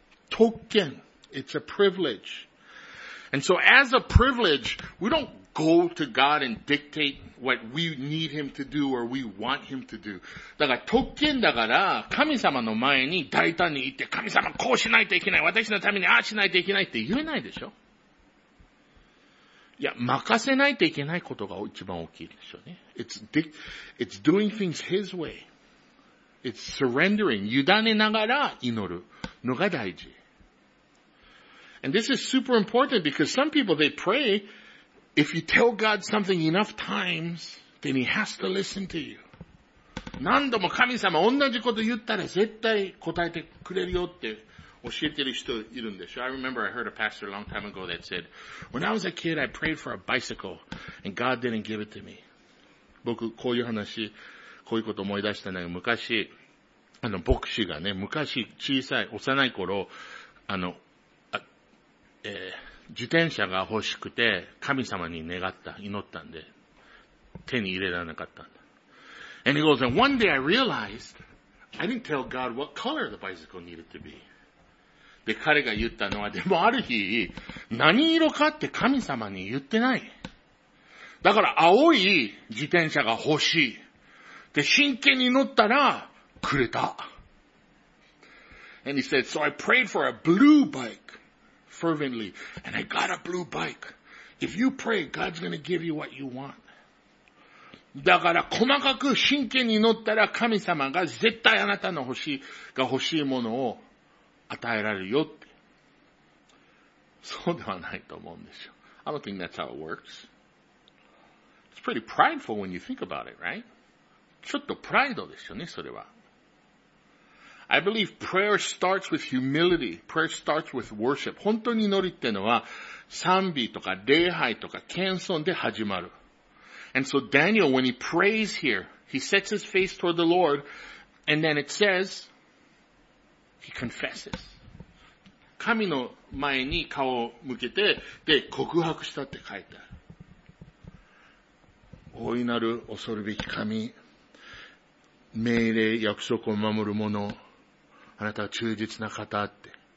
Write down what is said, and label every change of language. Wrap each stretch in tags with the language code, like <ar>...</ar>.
<ja>特権。</ja> <en>It's a privilege. And so as a privilege, we don't go to God and dictate what we need Him to do or we want Him to do.</en> <ja>だから特権だから神様の前に大胆に言って神様こうしないといけない。私のためにああしないといけないって言えないでしょ。いや、任せないといけないことが一番大きいでしょうね。</ja> <en>It's doing things his way. It's surrendering.</en> <ja>委ねながら祈るのが大事。</ja> <en>And this is super important because some people, they pray, if you tell God something enough times, then he has to listen to you.</en> <ja>何度も神様同じこと言ったら絶対答えてくれるよって。教えてる人いるんでしょ?</ja> <en>I remember I heard a pastor a long time ago that said, when I was a kid, I prayed for a bicycle, and God didn't give it to me.</en> <ja>僕、こういう話、こういうこと思い出したのが、昔、牧師がね、昔、小さい、幼い頃、自転車が欲しくて、神様に願った、祈ったんで、手に入れられなかったんだ。</ja> <en>And he goes, and one day I realized, I didn't tell God what color the bicycle needed to be.</en> <ja>で、彼が言ったのは、でもある日、何色かって神様に言ってない。だから青い自転車が欲しい。で、真剣に乗ったら、くれた。</ja> <en>And he said, so I prayed for a blue bike, fervently, and I got a blue bike. If you pray, God's gonna give you what you want.</en> <ja>だから細かく真剣に乗ったら神様が絶対あなたの欲しいものを、与えられるよって。そうではないと思うんですよ。</ja> <en>I don't think that's how it works. It's pretty prideful when you think about it, right?</en> <ja>ちょっとプライドですよね、それは。</ja> <en>I believe prayer starts with humility. Prayer starts with worship.</en> <ja>本当に祈りってのは、賛美とか礼拝とか謙遜で始まる。</ja> <en>And so Daniel, when he prays here, he sets his face toward the Lord, and then it says,He confesses.</en> <ja>神の前に顔を向けて、で、告白したって書いてある。大いなる恐るべき神、命令、約束を守る者、あなたは忠実な方って。</ja>